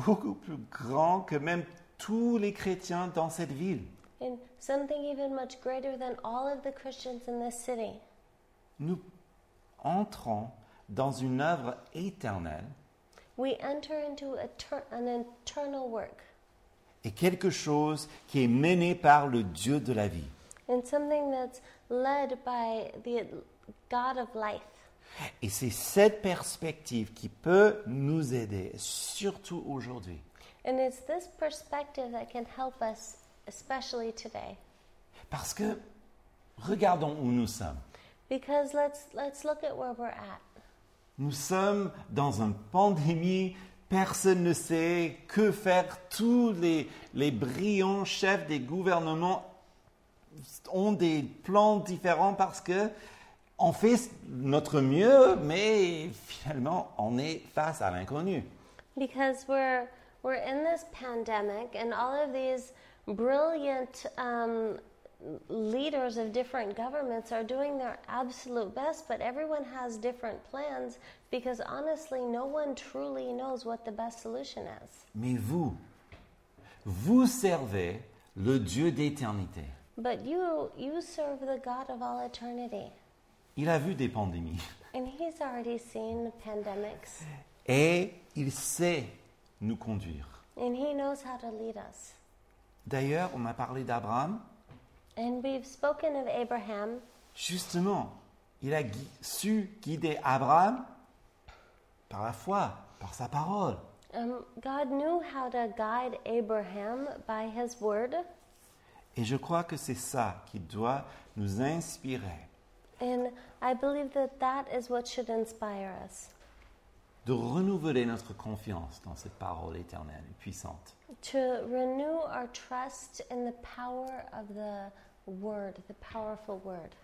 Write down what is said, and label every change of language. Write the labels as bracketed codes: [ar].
[fr] Beaucoup plus grand que même tous les chrétiens dans cette ville. [en] And something even much greater than all of the Christians in this city. [fr] Nous entrons dans une œuvre éternelle. [en] We enter into an eternal work. [fr] Et quelque chose qui est mené par le Dieu de la vie. [en] And something that's led by the God of life. [fr] Et c'est cette perspective qui peut nous aider, surtout aujourd'hui. [en] And it's this perspective that can help us, especially today. [fr] Parce que, regardons où nous sommes. [en] Because let's look at where we're at. [fr] Nous sommes dans une pandémie, personne ne sait que faire. Tous les brillants chefs des gouvernements ont des plans différents parce qu'on fait notre mieux, mais finalement, on est face à l'inconnu. [en] Because we're in this pandemic and all of these brilliant leaders of different governments are doing their absolute best, but everyone has different plans because honestly, no one truly knows what the best solution is. [fr] Mais vous servez le Dieu d'éternité. [en] But you serve the God of all eternity. [fr] Il a vu des pandémies. [en] And he's already seen pandemics. [fr] Et il sait nous conduire. [en] And he knows how to lead us. [fr] D'ailleurs, on m'a parlé d'Abraham. [en] And we've spoken of Abraham. [fr] Justement, il a su guider Abraham par la foi, par sa parole. [en] God knew how to guide Abraham by his word. [fr] Et je crois que c'est ça qui doit nous inspirer. [en] And I believe that that is what should inspire us. [fr] De renouveler notre confiance dans cette parole éternelle et puissante. [en] To renew our trust in the power of the word, the powerful word.